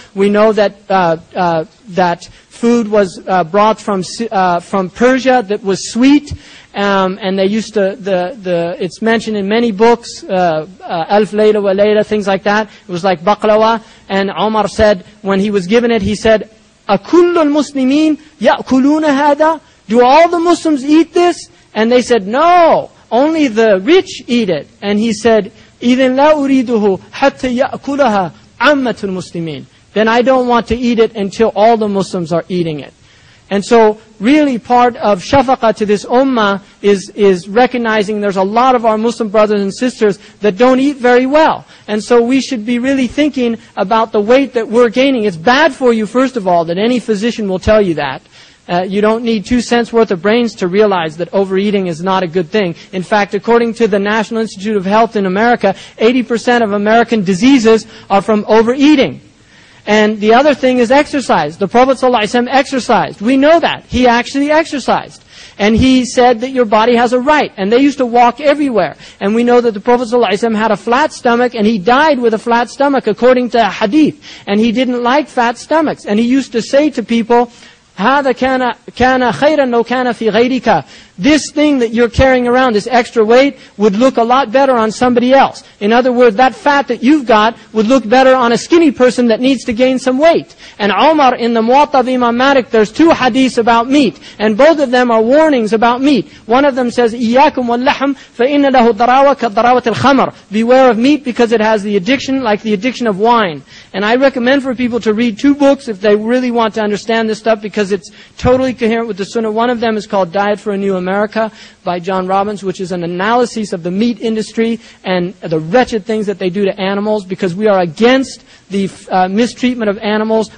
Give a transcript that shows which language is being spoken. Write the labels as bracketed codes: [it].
[en] We know that that food was brought from Persia that was sweet, and they used to it's mentioned in many books, Alf Layla wa Layla, things like that. It was like baklawa, and Umar said when he was given it, he said, [ar] أَكُلُّ الْمُسْلِمِينَ يَأْكُلُونَ هَذَا? [en] Do all the Muslims eat this? And they said, no, only the rich eat it. And he said, [ar] إِذِنْ لَا أُرِيدُهُ حَتَّى يَأْكُلَهَا عَمَّةُ الْمُسْلِمِينَ. [en] Then I don't want to eat it until all the Muslims are eating it. And so really part of shafaqa to this ummah is recognizing there's a lot of our Muslim brothers and sisters that don't eat very well. And so we should be really thinking about the weight that we're gaining. It's bad for you, first of all, that any physician will tell you that. You don't need 2 cents worth of brains to realize that overeating is not a good thing. In fact, according to the National Institute of Health in America, 80% of American diseases are from overeating. And the other thing is exercise. The Prophet ﷺ exercised. We know that. He actually exercised. And he said that your body has a right. And they used to walk everywhere. And we know that the Prophet ﷺ had a flat stomach, and he died with a flat stomach, according to a hadith. And he didn't like fat stomachs. And he used to say to people, [ar] هذا كان خيرا لو كان في غيرك. [en] This thing that you're carrying around, this extra weight, would look a lot better on somebody else. In other words, that fat that you've got would look better on a skinny person that needs to gain some weight. And Omar, in the Muwatta of Imam Malik, there's two hadiths about meat. And both of them are warnings about meat. One of them says, [ar] إِيَّاكُمْ وَاللَّحَمْ فَإِنَّ لَهُ دَرَاوَ كَدَرَاوَةِ الْخَمَرِ. [en] Beware of meat because it has the addiction like the addiction of wine. And I recommend for people to read two books if they really want to understand this stuff because it's totally coherent with the Sunnah. One of them is called Diet for a New America by John Robbins, which is an analysis of the meat industry and the wretched things that they do to animals, because we are against the mistreatment of animals.